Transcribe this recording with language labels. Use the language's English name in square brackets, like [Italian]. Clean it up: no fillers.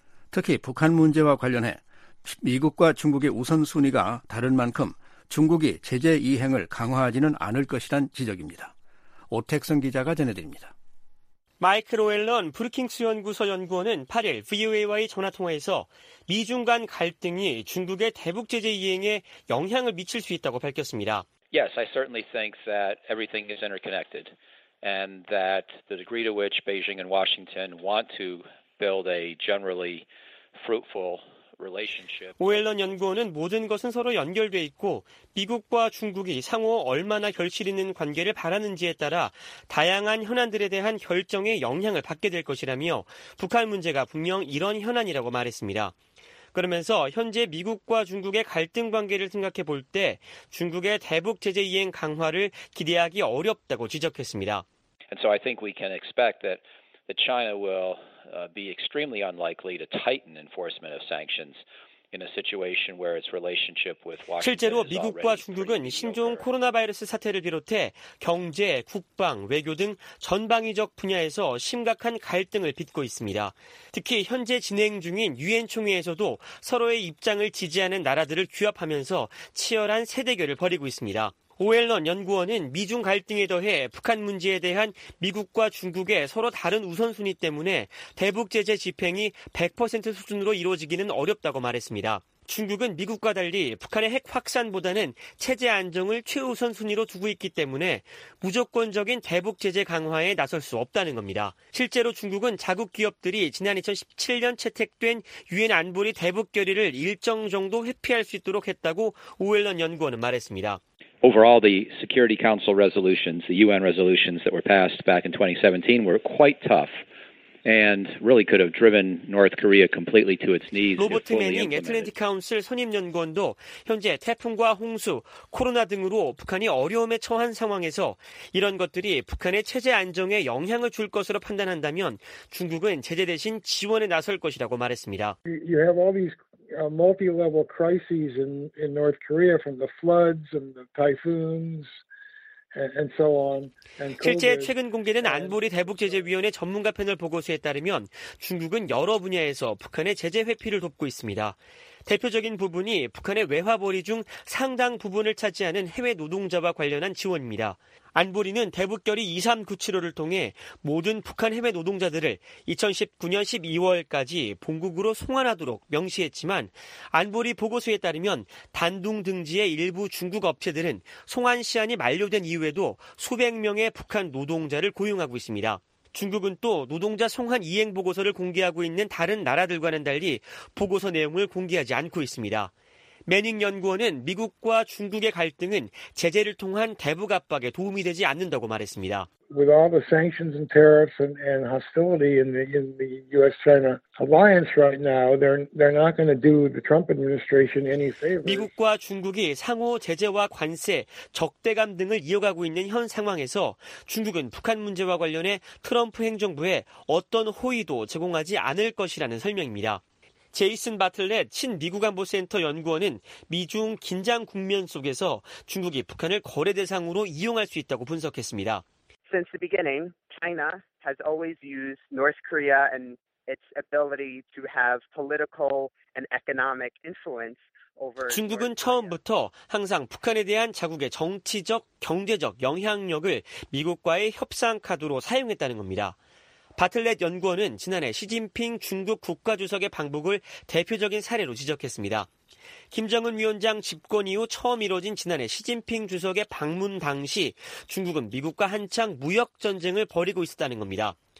[Korean] 특히 북한 문제와 관련해 미국과 중국의 우선순위가 다른 만큼 중국이 제재 이행을 강화하지는 않을 것이란 지적입니다. 오택성 기자가 전해드립니다. 마이클 오웰런 브루킹스 연구소 연구원은 8일 VOA와의 전화통화에서 미중 간 갈등이 중국의 대북 제재 이행에 영향을 미칠 수 있다고 밝혔습니다. [English] Yes, I certainly think that everything is interconnected and that the degree to which Beijing and Washington want to build a generally fruitful [Korean] 오웰런 연구원은 모든 것은 서로 연결돼 있고 미국과 중국이 상호 얼마나 결실 있는 관계를 바라는지에 따라 다양한 현안들에 대한 결정에 영향을 받게 될 것이라며 북한 문제가 분명 이런 현안이라고 말했습니다. 그러면서 현재 미국과 중국의 갈등 관계를 생각해 볼 때 중국의 대북 제재 이행 강화를 기대하기 어렵다고 지적했습니다. [English] And so I think we can expect that China will be extremely unlikely to tighten enforcement of sanctions in a situation where its relationship with Washington is already pretty weak. [Korean] 실제로 미국과 중국은 신종 코로나 바이러스 사태를 비롯해 경제, 국방, 외교 등 전방위적 분야에서 심각한 갈등을 빚고 있습니다. 특히 현재 진행 중인 유엔 총회에서도 서로의 입장을 지지하는 나라들을 규합하면서 치열한 세대결을 벌이고 있습니다. 오웰런 연구원은 미중 갈등에 더해 북한 문제에 대한 미국과 중국의 서로 다른 우선순위 때문에 대북 제재 집행이 100% 수준으로 이루어지기는 어렵다고 말했습니다. 중국은 미국과 달리 북한의 핵 확산보다는 체제 안정을 최우선 순위로 두고 있기 때문에 무조건적인 대북 제재 강화에 나설 수 없다는 겁니다. 실제로 중국은 자국 기업들이 지난 2017년 채택된 유엔 안보리 대북 결의를 일정 정도 회피할 수 있도록 했다고 오웰런 연구원은 말했습니다. [English] Overall, the Security Council resolutions, the UN resolutions that were passed back in 2017 were quite tough. And really could have driven North Korea completely to its knees. [Korean] 로버트 매닝 애틀랜틱 카운슬 선임 연구원도 현재 태풍과 홍수, 코로나 등으로 북한이 어려움에 처한 상황에서 이런 것들이 북한의 체제 안정에 영향을 줄 것으로 판단한다면 중국은 제재 대신 지원에 나설 것이라고 말했습니다. [English] You have all these multi-level crises in North Korea from the floods and the typhoons. And so on. And [Korean] 실제 최근 공개된 안보리 대북제재위원회 전문가 패널 보고서에 따르면 중국은 여러 분야에서 북한의 제재 회피를 돕고 있습니다. 대표적인 부분이 북한의 외화벌이 중 상당 부분을 차지하는 해외 노동자와 관련한 지원입니다. 안보리는 대북결의 2397호를 통해 모든 북한 해외 노동자들을 2019년 12월까지 본국으로 송환하도록 명시했지만 안보리 보고서에 따르면 단둥 등지의 일부 중국 업체들은 송환 시한이 만료된 이후에도 수백 명의 북한 노동자를 고용하고 있습니다. 중국은 또 노동자 송환 이행 보고서를 공개하고 있는 다른 나라들과는 달리 보고서 내용을 공개하지 않고 있습니다. 매닝 연구원은 미국과 중국의 갈등은 제재를 통한 대북 압박에 도움이 되지 않는다고 말했습니다. [English] With all the sanctions and tariffs and hostility in the U.S.-China alliance right now, they're not going to do the Trump administration any favor. [Korean] 미국과 중국이 상호 제재와 관세, 적대감 등을 이어가고 있는 현 상황에서 중국은 북한 문제와 관련해 트럼프 행정부에 어떤 호의도 제공하지 않을 것이라는 설명입니다. 제이슨 바틀렛 신미국 안보센터 연구원은 미중 긴장 국면 속에서 중국이 북한을 거래 대상으로 이용할 수 있다고 분석했습니다. [English] Since the beginning, China has always used North Korea and its ability to have political and economic influence. [Korean] 중국은 처음부터 항상 북한에 대한 자국의 정치적, 경제적 영향력을 미국과의 협상 카드로 사용했다는 겁니다. 바틀렛 연구원은 지난해 시진핑 중국 국가주석의 방북을 대표적인 사례로 지적했습니다. 김정은 위원장 집권 이후 처음 이뤄진 지난해 시진핑 주석의 방문 당시 중국은 미국과 한창 무역 전쟁을 벌이고 있었다는 겁니다.